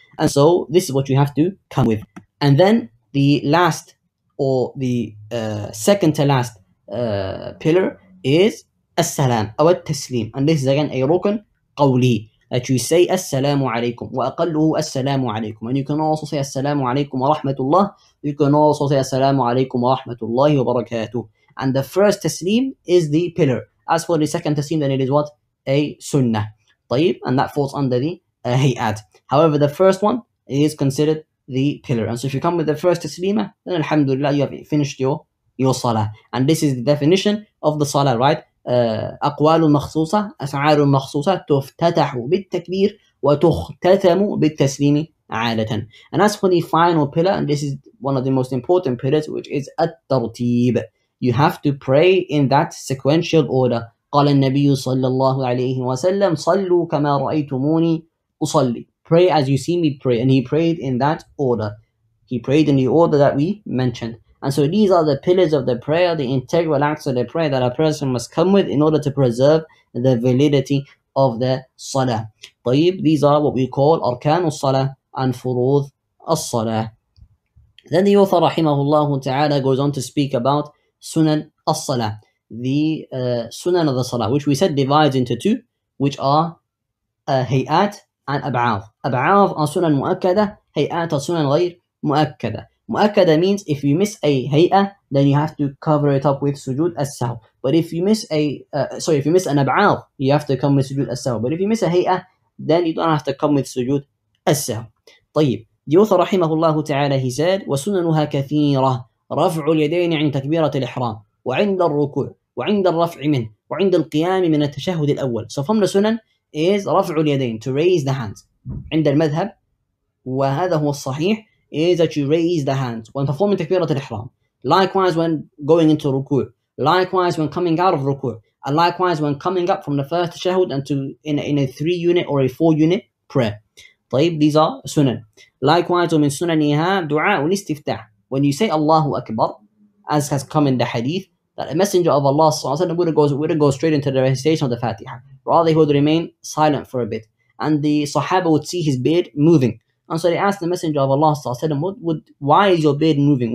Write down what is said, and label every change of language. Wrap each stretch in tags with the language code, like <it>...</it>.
<en>And so this is what you have to come with. And then the last or the second to last pillar is السلام أو التسليم. And this is again a ركن قولي that you say</en> <ar>السلام عليكم وأقله السلام عليكم.</ar> <en>And you can also say</en> <ar>السلام عليكم ورحمة الله.</ar> <en>You can also say</en> <ar>السلام عليكم ورحمة الله وبركاته.</ar> <en>And the first تسليم is the pillar. As for the second تسليم, then it is what? A sunnah. طيب. And that falls under the هيئات. However, the first one is considered the pillar. And so if you come with the first taslima, then alhamdulillah, you have finished your salah. And this is the definition of the salah, right?</en> <ar>أقوال مخصوصة أفعال مخصوصة تفتتح بالتكبير وتختتم بالتسليم عادة.</ar> <en>And as for the final pillar, and this is one of the most important pillars, which is الترتيب. You have to pray in that sequential order.</en> <ar>قال النبي صلى الله عليه وسلم صلوا كما رأيتموني أصلي.</ar> <en>Pray as you see me pray. And he prayed in that order. He prayed in the order that we mentioned. And so these are the pillars of the prayer, the integral acts of the prayer that a person must come with in order to preserve the validity of the salah. طيب, these are what we call arkan al-salah and furud al-salah. Then the author رحمه ta'ala goes on to speak about sunan al-salah, the sunan of the salah, which we said divides into two, which are hay'at and ab'av. Ab'av are sunan mu'akkada, hay'at are sunan ghayr mu'akkada. Mu'akkada means if you miss a hay'a, then you have to cover it up with sujood as-sahw. But if you miss if you miss an ab'av, you have to come with sujood as-sahw. But if you miss a hay'a, then you don't have to come with sujood as-sahw.</en> <ar>طيب,</ar> <en>the author rahimahullah ta'ala, he said,</en> <ar>وَسُنَنُهَا كَثِيرَةً رَفْعُ الْيَدَيْنِ عِنْ تَكْبِيرَةِ الْإِحْرَامِ وَعِنْدَ الرُّكُوعِ وَعِنْدَ الرَّفْعِ مِنْ وَعِنْدَ الْقِيَامِ مِنَ التَّشَهُّدِ الْأَوَّلِ.</ar> <en>So from the sunan is رَفْعُ الْيَدَيْنِ, to raise the hands.</en> <ar>عِنْدَ الْمَذْهَبِ وَهَذَا هُوَ الصَّحِيحُ,</ar> <en>is that you raise the hands when performing takbirat al-ihram. Likewise, when going into ruku', likewise, when coming out of ruku', and likewise, when coming up from the first tashahud and to in a three unit or a four unit prayer. طيب, these are sunan.</en> <ar>Likewise, ومن سننها دعاء الاستفتاح.</ar> <en>When you say Allahu Akbar, as has come in the hadith, that a messenger of Allah wouldn't go straight into the recitation of the Fatiha. Rather, he would remain silent for a bit. And the Sahaba would see his beard moving. And so they asked the Messenger of Allah, why is your beard moving?</en>